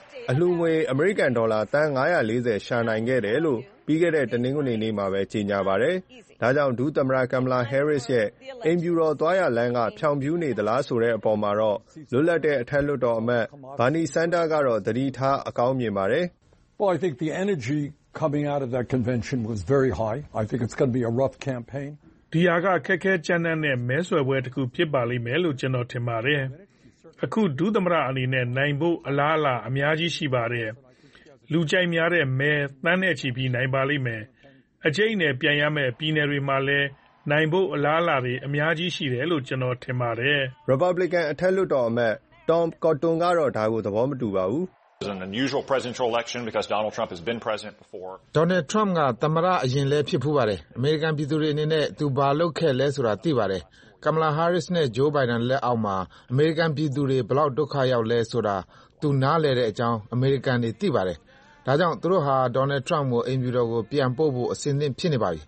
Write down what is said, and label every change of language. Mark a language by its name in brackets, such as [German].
[Burmese] အလှူငွေအမေရိကန်ဒေါ်လာတန်း940ရှာနိုင်ခဲ့တယ်လို့ပြီးခဲ့တဲ့တနင်္ဂနွေနေ့မှာပဲကြေညာပါတယ်။ဒါကြောင့်ဒူသမရာကမ်မလာ Harris ရဲ့အင်ဂျူရောသွားရလမ်းကဖြောင်ပြူးနေသလားဆိုတဲ့အပေါ်မှာတော့လွတ်လပ်တဲ့အထက်လွှတ်တော်အမတ် Bernie Sanders ကတော့သတိထားအကောင်းမြင်ပါတယ် [English] ။ Well, I think the energy coming out of that convention was very high. I think it's going to be a rough campaign. [Burmese] ဒီဟာကခက်ခဲကြမ်းတမ်းတဲ့မဲဆွယ်ပွဲတစ်ခုဖြစ်ပါလိမ့်မယ်လို့ကျွန်တော်ထင်ပါတယ်။အခုဒူးသမရအနေနဲ့နိုင်ဖို့အလားအလာအများကြီးရှိပါတယ်လူကြိုက်များတဲ့မဲတန်းနဲ့ချီပြီးနိုင်ပါလိမ့်မယ်အချိန်နဲ့ပြန်ရမယ်ပြည်နယ်တွေမှာလည်းနိုင်ဖို့အလားအလာတွေအများကြီးရှိတယ်လို့ကျွန်တော်ထင်ပါတယ် Republican အထက်လွှတ်တော်အမတ် Tom Cotton ကတော့ဒါကိုသဘောမတူပါဘူး [English] It's an unusual presidential election because Donald Trump has been president before [Burmese] Donald Trump ကသမရအရင်လည်းဖြစ်ဖူးပါတယ်အမေရိကန်ပြည်သူတွေအနေနဲ့သူဘာလုပ်ခဲ့လဲဆိုတာသိပါတယ်Kamala Harris နဲ့ Joe Biden လက်အောက်မှာ American ပြည်သူတွေဘလောက်ဒုက္ခရောက်လဲဆိုတာသူနားလည်တဲ့အကြောင်း American တွေသိပါတယ်။ဒါကြောင့်သူတို့ဟာ Donald Trump ကိုအင်ဂျူရောကိုပြန်ပို့ဖို့အစဉ်သင့်ဖြစ်နေပါပြီ